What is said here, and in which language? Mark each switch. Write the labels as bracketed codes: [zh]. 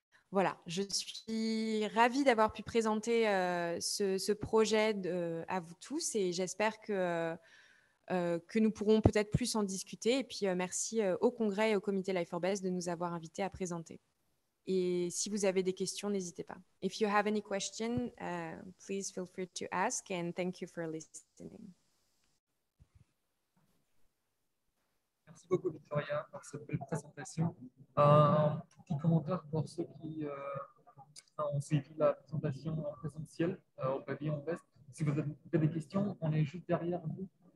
[fr] Voilà, je suis ravie d'avoir pu présenter ce projet à vous tous, et j'espère que nous pourrons peut-être plus en discuter. Et puis merci au Congrès et au comité Life for Best de nous avoir invités à présenter. Et si vous avez des questions, n'hésitez pas. [en] If you have any questions, please feel free to ask, and thank you for listening. [fr] Merci beaucoup, Victoria, pour cette belle présentation. Un petit commentaire pour ceux qui ont suivi la présentation en présentiel au pavillon Best. Si vous avez des questions, on est juste derrière vous.